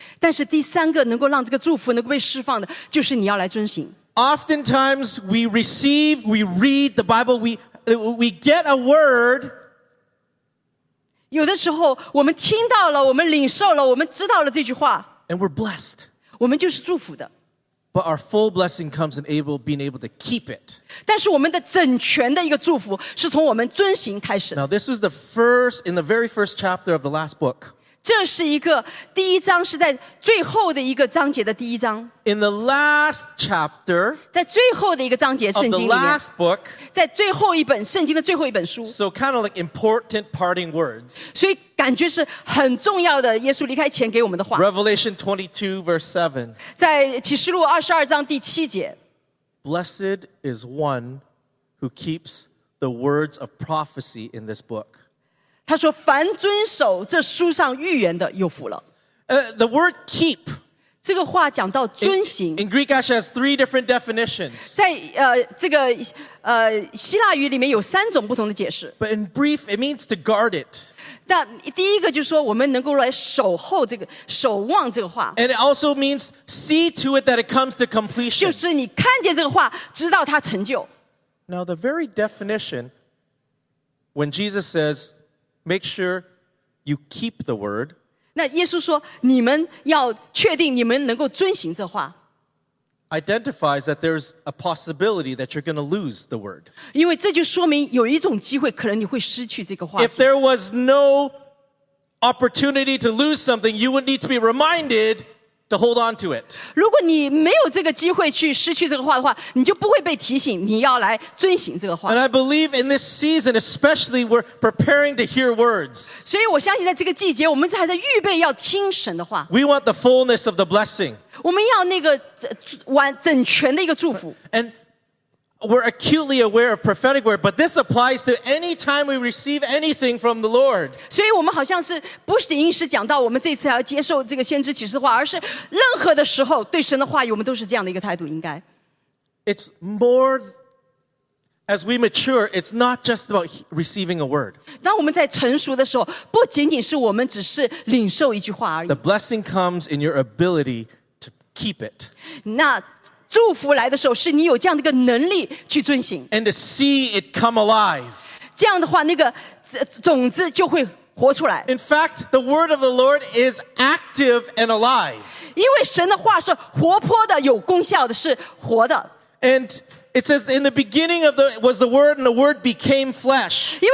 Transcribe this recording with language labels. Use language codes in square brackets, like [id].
[zh] 但是第三个能够让这个祝福能够被释放的，就是你要来遵行。 [en] Oftentimes we receive, we read the Bible, we get a word. [zh] 有的时候我们听到了，我们领受了，我们知道了这句话。 [en] And we're blessed. [zh] 我们就是祝福的。 [en] But our full blessing comes in being able to keep it. [zh] 但是我们的整全的一个祝福是从我们遵行开始。 [en] Now this is the first, in the very first chapter of the last book. [zh] 这是一个第一章是在最后的一个章节的第一章。 [en] In the last chapter, [zh] 在最后的一个章节圣经里面。 [en] Of the last book, [zh] 在最后一本圣经的最后一本书。 [en] So kind of like important parting words. [zh] 所以感觉是很重要的耶稣离开前给我们的话。 [en] Revelation 22 verse 7. [zh] 在启示录22章第七节。 [en] Blessed is one who keeps the words of prophecy in this book. [zh] 他说凡遵守这书上预言的有福了。 [en] The word keep [zh] 这个话讲到遵行。 [en] In Greek actually has three different definitions. [zh] 在这个希腊语里面有三种不同的解释。 [en] But in brief, it means to guard it. [zh] 但第一个就是说我们能够来守候这个守望这个话。 [en] And it also means see to it that it comes to completion. [zh] 就是你看见这个话直到它成就。 [en] Now the very definition when Jesus saysMake sure you keep the word. [zh] 那耶稣说，你们要确定你们能够遵行这话。 [en] Identifies that there's a possibility that you're going to lose the word. [zh] 因为这就说明有一种机会，可能你会失去这个话。 [en] If there was no opportunity to lose something, you would need to be reminded to hold on to it. [zh] 如果你没有这个机会去失去这个话的话，你就不会被提醒你要来遵行这个话。 [en] And I believe in this season, especially we're preparing to hear words. [zh] 所以我相信在这个季节，我们还在预备要听神的话。 [en] We want the fullness of the blessing. [zh] 我们要那个完整全的一个祝福。 [en] And we're acutely aware of prophetic word, but this applies to any time we receive anything from the Lord. [zh] 所以我们好像是不是临时讲到我们这次要接受这个先知启示话，而是任何的时候对神的话语，我们都是这样的一个态度，应该。 [en] It's more, as we mature, it's not just about receiving a word. [zh] 当我们在成熟的时候，不仅仅是我们只是领受一句话而已。 [en] The blessing comes in your ability to keep it. [zh] 那 祝福来的时候，是你有这样的一个能力去遵行， [en] and to see it come alive. [zh] 这样的话，那个种子就会活出来。 [en] In fact, the word of the Lord is active and alive. [zh] 因为神的话是活泼的，有功效的，是活的。 [en] And it says, in the beginning of the was the word, and the word became flesh.